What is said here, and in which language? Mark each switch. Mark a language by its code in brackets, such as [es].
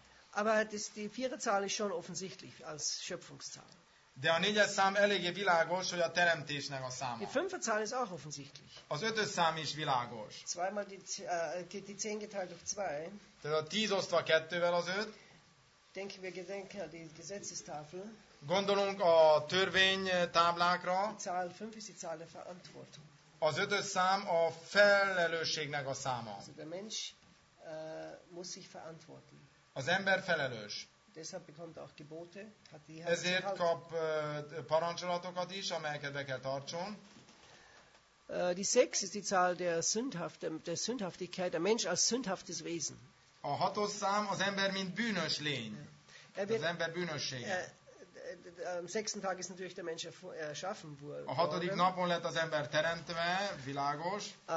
[de] Aber die vierte Zahl ist schon offensichtlich als Schöpfungszahl. [hu] De a négyes szám eléggé világos, hogy a teremtésnek a száma. [de] Die fünfte Zahl ist auch offensichtlich. [hu] Az ötös szám is világos. [de] Zweimal die 10 geteilt durch 2. [hu] Tehát a 10 osztva kettővel az 5. [de] Denken wir gedenken an die Gesetzestafel. [hu] Gondolunk a törvény táblákra. [de] Zahl 5 ist die Zahl der Verantwortung. [hu] Az ötös szám a felelősségnek a száma. [de] Also der Mensch muss sich verantworten. [hu] Az ember felelős. [de] Deshalb bekommt auch Gebote, hat die [hu] ezért kap parancsolatokat is, amelyeket be kell tartson. [de] Die 6 ist die Zahl der Sündhaft, der Sündhaftigkeit, der Mensch als sündhaftes Wesen. [hu] A hatos szám az ember mint bűnös lény. Az ember bűnössége. [de] Am sechsten Tag ist natürlich der Mensch erschaffen worden. [hu] A hatodik napon lett az ember teremtve, világos.